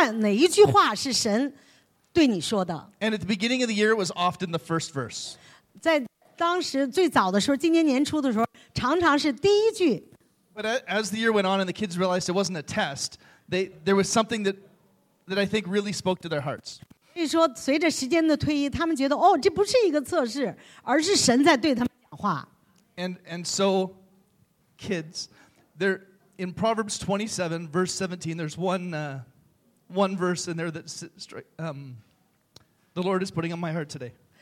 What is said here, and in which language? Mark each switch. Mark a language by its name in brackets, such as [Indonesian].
[Chinese] 所以每天早晨我就会问哪一句话是神对你说的。 [English] And at the beginning of the year, it was often the first verse. [Chinese] 在当时最早的时候，今年年初的时候，常常是第一句。 [English] But as the year went on and the kids realized it wasn't a test, there was something that I think really spoke to their hearts. [Chinese] 所以说随着时间的推移，他们觉得哦，这不是一个测试，而是神在对他们讲话。 [English] And so, kids, there in Proverbs 27, verse 17, there's one verse in there that the Lord is putting on my heart today.